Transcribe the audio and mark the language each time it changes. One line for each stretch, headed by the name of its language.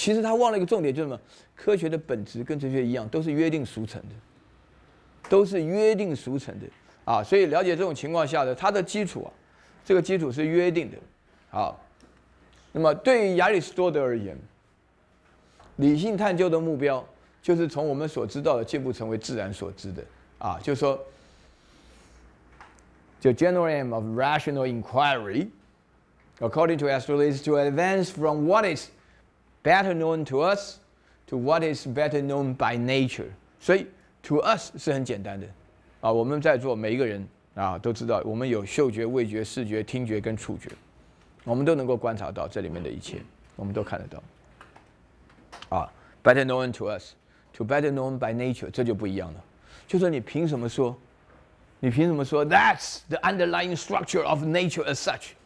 Chinese: 其实他忘了一个重点，就是什么？科学的本质跟哲学一样，都是约定俗成的啊。所以了解这种情况下的，它的基础啊，这个基础是约定的。好，那么对于亚里士多德而言，理性探究的目标就是从我们所知道的进步成为自然所知的啊，就是说。
English: The general aim of rational inquiry, according to Aristotle, is to advance from what is better known to us to what is better known by nature.
Chinese: 所以 to us 是很简单的，啊，我们在座每一个人啊都知道，我们有嗅觉、味觉、视觉、听觉跟触觉，我们都能够观察到这里面的一切，我们都看得到。
English: 啊 ，better known to us to better known by nature，
Chinese: 这就不一样了，就是你凭什么说
English: that's the underlying structure of nature as such？